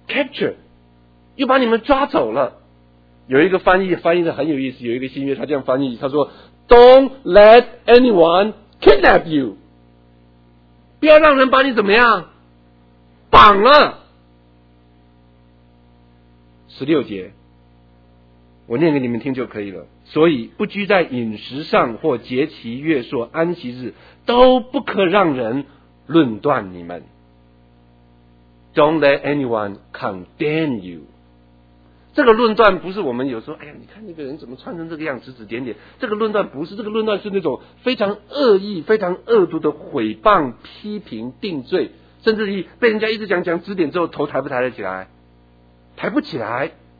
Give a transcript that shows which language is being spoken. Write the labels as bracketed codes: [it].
[zh] capture 又把你们抓走了。有一个翻译的很有意思，有一个新约他这样翻译，他说 [en] don't let anyone kidnap you， [zh] 不要让人把你怎么样绑了。十六节，我念给你们听就可以了。所以不拘在饮食上或节期月朔安息日，都不可让人论断你们。 [en] Don't let anyone condemn you。 [zh] 这个论断不是我们有时候哎呀，你看那个人怎么穿成这个样指指点点，这个论断不是，这个论断是那种非常恶意非常恶毒的毁谤批评定罪，甚至于被人家一直讲指点之后头抬不抬得起来，抬不起来。